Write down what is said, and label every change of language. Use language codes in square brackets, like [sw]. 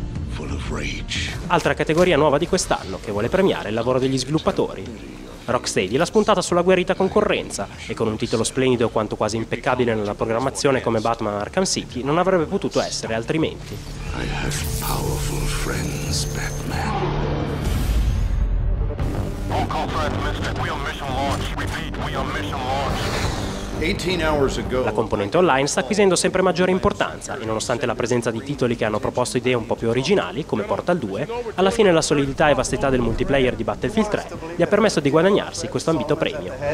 [en] Full of rage. [it] Altra categoria nuova di quest'anno che vuole premiare il lavoro degli sviluppatori. Rocksteady l'ha spuntata sulla guerrita concorrenza e con un titolo splendido quanto quasi impeccabile nella programmazione come Batman Arkham City non avrebbe potuto essere altrimenti. [en] I have powerful friends, Batman. All call for Mystic, we are mission launch. Repeat, we are mission launch. [it] La componente online sta acquisendo sempre maggiore importanza e nonostante la presenza di titoli che hanno proposto idee un po' più originali, come Portal 2, alla fine la solidità e vastità del multiplayer di Battlefield 3 gli ha permesso di guadagnarsi questo ambito premio.